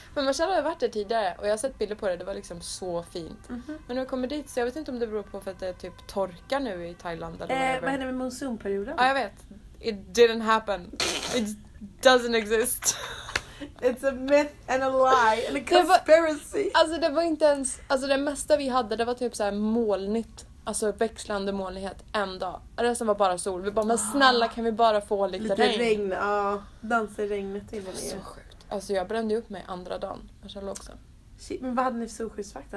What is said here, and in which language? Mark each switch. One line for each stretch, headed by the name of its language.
Swedish: Men man känner att jag har varit där tidigare. Och jag har sett bilder på det, det var liksom så fint. Mm-hmm. Men nu kommer dit, så jag vet inte om det beror på för att det är typ torka nu i Thailand. Vad händer med monsunperioden? Ja, jag vet.
English: It didn't happen. It doesn't exist. It's a myth and a lie and a conspiracy.
Swedish: Det var, alltså det var inte ens, alltså det mesta vi hade, det var typ så här molnigt, alltså växlande molnighet en dag. Resten var bara sol. Vi bara, men snälla, kan vi bara få lite regn? Lite regn, ja. Dansa i regnet till och med. Så sjukt. Alltså jag brände upp mig andra dagen. Jag kände också. Men vad hade ni för solskyddsfaktor?